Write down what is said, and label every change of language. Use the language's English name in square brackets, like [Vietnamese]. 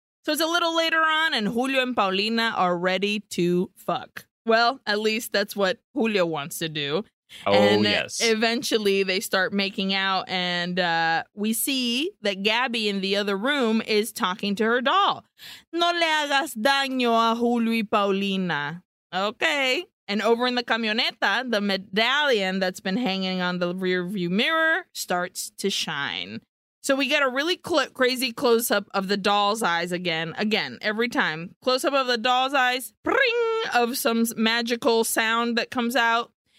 [English] So it's a little later on and Julio and Paulina are ready to fuck. Well, at least that's what Julio wants to do. Oh, and yes. Eventually, they start making out, and we see that Gabby in the other room is talking to her doll. [Spanish] No le hagas daño a Julio y Paulina. [English] Okay. And over in the camioneta, the medallion that's been hanging on the rearview mirror starts to shine. So we get a really crazy close-up of the doll's eyes again, every time. Close-up of the doll's eyes, pring, of some magical sound that comes out.